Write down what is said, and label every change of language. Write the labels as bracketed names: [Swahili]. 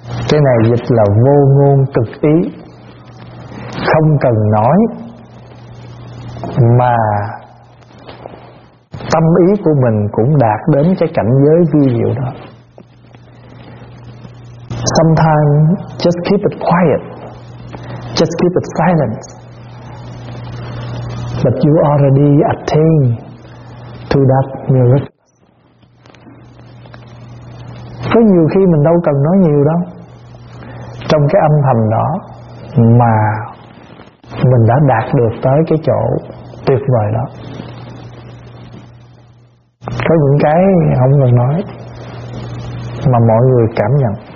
[Vietnamese] Cái này dịch là vô ngôn cực ý, không cần nói mà tâm ý của mình cũng đạt đến cái cảnh giới vi diệu đó. [English] Sometimes just keep it quiet, just keep it silent, but you already attain to that miracle. [Vietnamese] Có nhiều khi mình đâu cần nói nhiều đâu, trong cái âm thầm đó mà mình đã đạt được tới cái chỗ tuyệt vời đó. Có những cái không cần nói mà mọi người cảm nhận.